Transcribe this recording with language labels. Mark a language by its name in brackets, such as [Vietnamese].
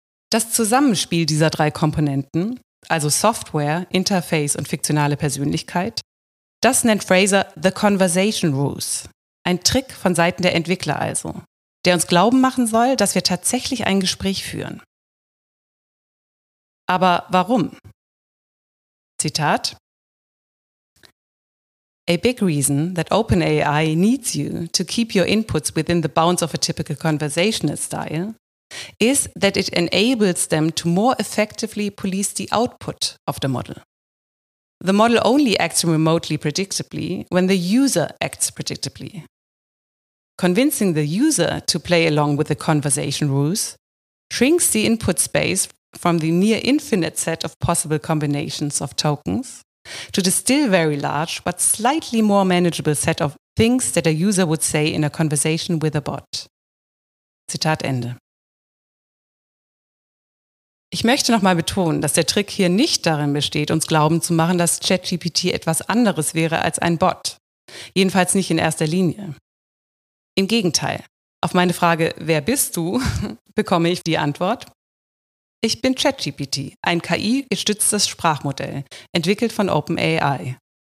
[German] Das Zusammenspiel dieser drei Komponenten, also Software, Interface und fiktionale Persönlichkeit, das nennt Fraser [English] The Conversation Rules. [German] Ein Trick von Seiten der Entwickler also, der uns glauben machen soll, dass wir tatsächlich ein Gespräch führen. Aber warum? [English] Zitat: A big reason that OpenAI needs you to keep your inputs within the bounds of a typical conversational style is that it enables them to more effectively police the output of the model. The model only acts remotely predictably when the user acts predictably. Convincing the user to play along with the conversation rules shrinks the input space from the near infinite set of possible combinations of tokens to the still very large but slightly more manageable set of things that a user would say in a conversation with a bot. [German] Zitat Ende. Ich möchte nochmal betonen, dass der Trick hier nicht darin besteht, uns glauben zu machen, dass ChatGPT etwas anderes wäre als ein Bot. Jedenfalls nicht in erster Linie. Im Gegenteil. Auf meine Frage, wer bist du, bekomme ich die Antwort: Ich bin ChatGPT, ein KI-gestütztes Sprachmodell, entwickelt von OpenAI.